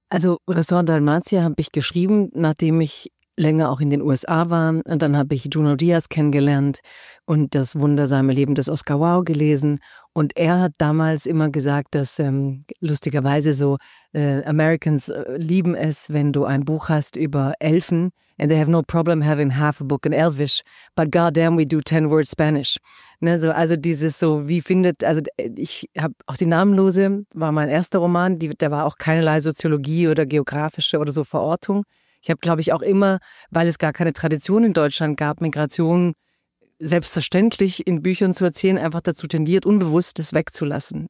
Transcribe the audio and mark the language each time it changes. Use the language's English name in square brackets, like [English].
[German] Also Restaurant Dalmatia habe ich geschrieben, nachdem ich länger auch in den USA war. Und dann habe ich Junot Diaz kennengelernt und das wundersame Leben des Oscar Wao gelesen. Und er hat damals immer gesagt, dass lustigerweise so Americans lieben es, wenn du ein Buch hast über Elfen. [English] And they have no problem having half a book in Elvish, but goddamn, we do 10 words Spanish. [German] Ne, so, also dieses so, wie findet, also ich habe auch Die Namenlose, war mein erster Roman, da war auch keinerlei Soziologie oder geografische oder so Verortung. Ich habe, glaube ich, auch immer, weil es gar keine Tradition in Deutschland gab, Migration selbstverständlich in Büchern zu erzählen, einfach dazu tendiert, unbewusst das wegzulassen.